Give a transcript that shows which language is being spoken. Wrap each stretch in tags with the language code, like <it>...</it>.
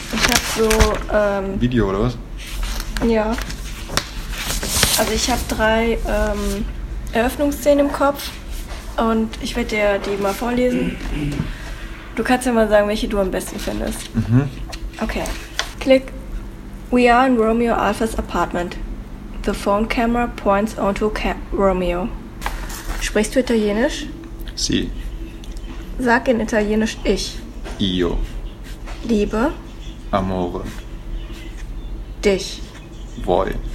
<de>Ich habe so... Video oder was? Ja, also ich habe drei Eröffnungsszenen im Kopf und ich werde dir die mal vorlesen. Du kannst ja mal sagen, welche du am besten findest. Mhm.</de> <en>Okay, click. We are in Romeo Alpha's apartment. The phone camera points onto Romeo.</en> <de>Sprichst du Italienisch?</de> <it>Sì.</it> <de>Sag in Italienisch ich.</de> <it>Io.</it> <de>Liebe.</de> <it>Amore.</it> <de>Dich.</de> <en>Boy.</en>